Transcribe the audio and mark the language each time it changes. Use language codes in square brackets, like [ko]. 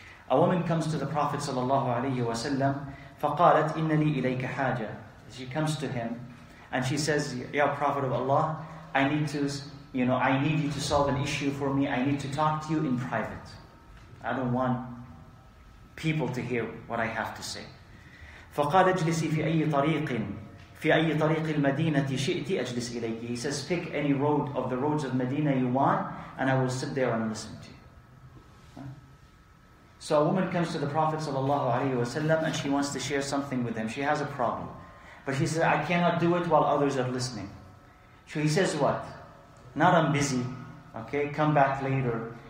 [en] A woman comes to the Prophet sallallahu alayhi wa sallam, [ar] فَقَالَتْ إِنَّ لِي إِلَيْكَ حَاجَةٌ. [en] She comes to him and she says, Ya Prophet of Allah, I need you to solve an issue for me. I need to talk to you in private. I don't want people to hear what I have to say. [ar] فَقَالَ اجْلِسِي فِي أَيِّ طَرِيقٍ في أي طريق المدينة شئت أجلس إليك. [en] He says, pick any road of the roads of Medina you want, and I will sit there and listen to you. So a woman comes to the Prophet sallallahu alaihi wasallam, and she wants to share something with him. She has a problem, but she says, I cannot do it while others are listening. So he says, what? Not I'm busy. Okay, come back later.